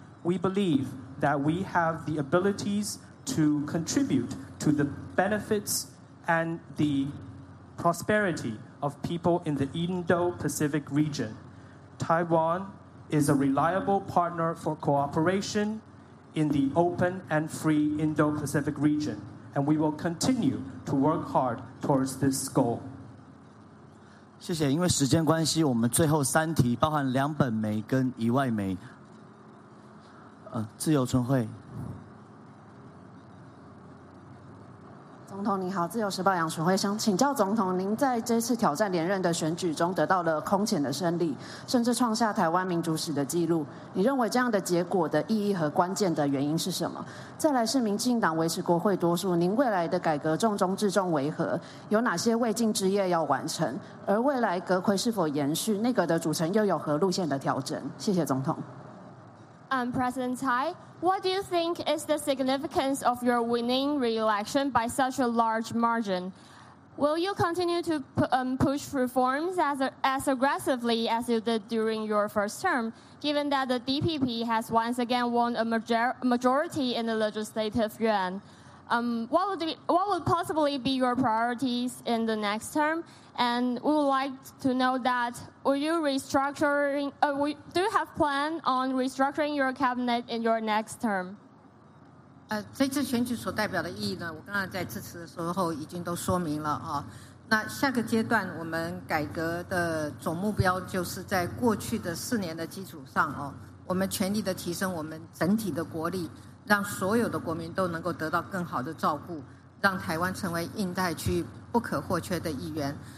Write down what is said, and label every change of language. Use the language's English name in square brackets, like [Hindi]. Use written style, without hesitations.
[English] We believe that we have the abilities to contribute to the benefits and the prosperity of people in the Indo-Pacific region. Taiwan is a reliable partner for cooperation in the open and free Indo-Pacific region, and we will continue to work hard towards this goal. [Chinese] 谢谢，因为时间关系，我们最后三题包含两本枚跟一外枚。自由春会。总统你好，自由时报杨淳惠想请教总统，您在这次挑战连任的选举中得到了空前的胜利，甚至创下台湾民主史的记录，你认为这样的结果的意义和关键的原因是什么？再来是民进党维持国会多数，您未来的改革重中之重为何？有哪些未尽之业要完成？而未来阁揆是否延续内阁的组成，又有何路线的调整？谢谢总统。 [English] President Tsai, what do you think is the significance of your winning re-election by such a large margin? Will you continue to push reforms as aggressively as you did during your first term, given that the DPP has once again won a majority in the legislative yuan? What would possibly be your priorities in the next term? And we would like to know that, do you have plan on restructuring your cabinet in your next term? [Chinese] 这次选举所代表的意义呢，我刚刚在致辞的时候已经都说明了啊。那下个阶段我们改革的总目标就是在过去的四年的基础上哦，我们全力的提升我们整体的国力，让所有的国民都能够得到更好的照顾，让台湾成为印太区不可或缺的一员。